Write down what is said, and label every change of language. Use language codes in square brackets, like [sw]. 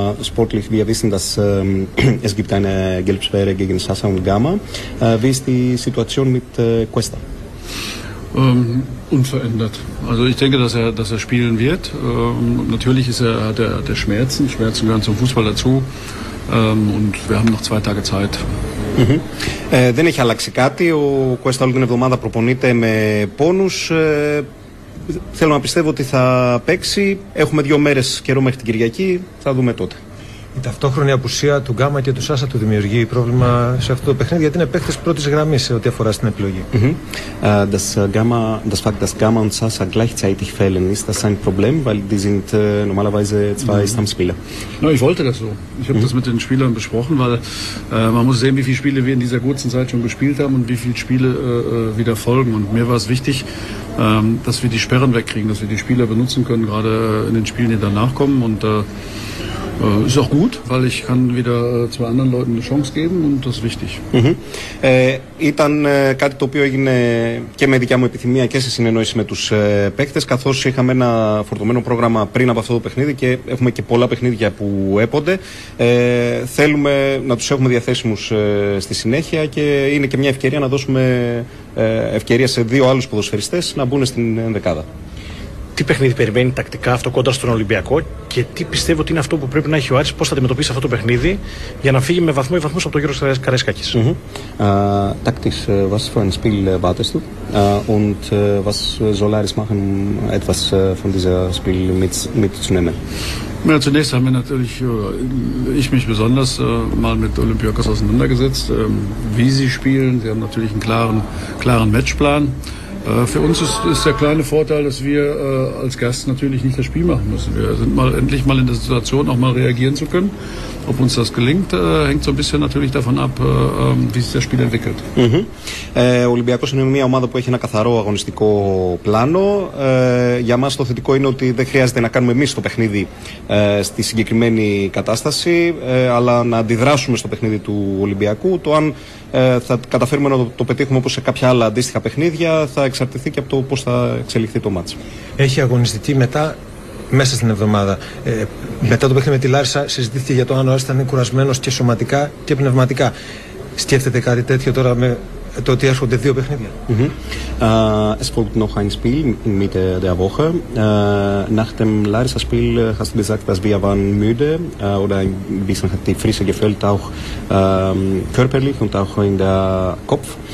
[de] Sportlich, wir wissen, dass es gibt eine Gelbsperre gegen Sasa und Gama. Wie ist die Situation mit Cuesta? Unverändert. Also ich denke, dass er spielen wird. Natürlich hat er Schmerzen. Schmerzen gehören zum Fußball dazu. Und wir haben noch 2 Tage Zeit. [el] Δεν έχει αλλάξει κάτι. Ο Κουέστα όλη την εβδομάδα προπονείται με πόνους. Θέλω να πιστεύω ότι θα παίξει. Έχουμε 2 μέρες καιρό μέχρι την Κυριακή. Θα δούμε τότε. Η ταυτόχρονη απουσία του Γκάμα και του Σάσα του δημιουργεί πρόβλημα σε αυτό το παιχνίδι, γιατί είναι παίχτες πρώτης γραμμής σε ό,τι αφορά στην επιλογή. [de] Das Fakt, dass Gama und Sasa gleichzeitig fehlen, ist das ein Problem, weil die sind normalerweise zwei Stammspieler. No, ich wollte das so. Ich habe das mit den Spielern besprochen, weil man muss sehen, wie viele Spiele wir in dieser kurzen Zeit schon gespielt haben und wie viele Spiele wieder folgen. Und mir war es wichtig, dass wir die Sperren wegkriegen, dass wir die Spieler benutzen können, gerade in den Spielen, die danach kommen. Und ist auch gut, weil ich kann wieder 2 anderen Leuten eine Chance geben und das ist wichtig. [el] Ήταν κάτι το οποίο έγινε και με δικιά μου επιθυμία και σε συνεννόηση με τους παίκτες, καθώς είχαμε ένα φορτωμένο πρόγραμμα πριν από αυτό το παιχνίδι και έχουμε και πολλά παιχνίδια που έπονται. Θέλουμε να τους έχουμε διαθέσιμους στη συνέχεια και είναι και μια ευκαιρία να δώσουμε ευκαιρία σε 2 άλλους ποδοσφαιριστές να μπουν στην ενδεκάδα. Τι παιχνίδι περιμένει τακτικά αυτό κοντά στον Ολυμπιακό και τι πιστεύω ότι είναι αυτό που πρέπει να έχει ο Άρης, πώς θα αντιμετωπίσει αυτό το παιχνίδι για να φύγει με βαθμό ή βαθμούς από το γύρο της Καραϊσκάκης. [de] Tactisch, was für ein Spiel wartest du und was soll Άρης machen, etwas von dieser Spiel mitzunehmen? Ja, zunächst haben wir natürlich, ich mich besonders, mal mit Olympiakos auseinandergesetzt, wie sie spielen. Sie haben natürlich einen klaren Matchplan. Für uns ist der kleine Vorteil, dass wir als Gast natürlich nicht das Spiel machen müssen. Wir sind endlich mal in der Situation, auch mal reagieren zu können. Ob uns das gelingt, hängt so ein bisschen natürlich davon ab, wie sich das Spiel entwickelt. [el] Ο Ολυμπιακός είναι μια ομάδα που έχει ένα καθαρό αγωνιστικό πλάνο. Για μας το θετικό είναι ότι δεν χρειάζεται να κάνουμε εμείς το παιχνίδι στη συγκεκριμένη κατάσταση, αλλά να αντιδράσουμε στο παιχνίδι του Ολυμπιακού. Το αν θα καταφέρουμε να το πετύχουμε όπως σε κάποια άλλα αντίστοιχα παιχνίδια θα εξαρτηθεί και από το πώς θα εξελιχθεί το μάτς. Έχει αγωνιστική μετά. Μέσα στην εβδομάδα. Μετά το παιχνίδι με τη Λάρισα, συζητήθηκε για το αν ο Άρης ήταν κουρασμένος και σωματικά και πνευματικά. Σκέφτεται κάτι τέτοιο τώρα με το ότι έρχονται 2 παιχνίδια. [de] Es folgt noch ein Spiel in Mitte der Woche. Nach dem Larissa-Spiel hast du gesagt, dass wir waren müde oder ein bisschen hat die Frische gefällt, auch körperlich und auch in der Kopf.